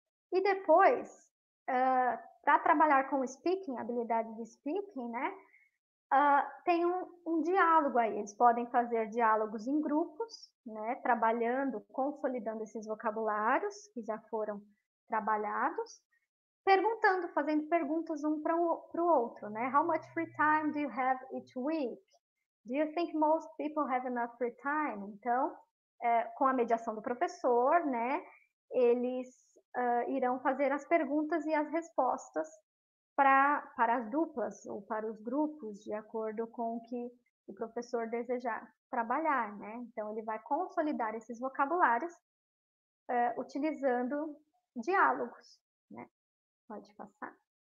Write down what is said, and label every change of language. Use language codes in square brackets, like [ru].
[pt] E depois, para trabalhar com speaking, habilidade de speaking, né? Tem um diálogo aí, eles podem fazer diálogos em grupos, né, trabalhando, consolidando esses vocabulários que já foram trabalhados, perguntando, fazendo perguntas um para o outro, né? [en] How much free time do you have each week? Do you think most people have enough free time? [pt] Então, com a mediação do professor, né, eles irão fazer as perguntas e as respostas para as duplas ou para os grupos, de acordo com o que o professor desejar trabalhar, né? Então, ele vai consolidar esses vocabulários, utilizando diálogos, né? Pode passar.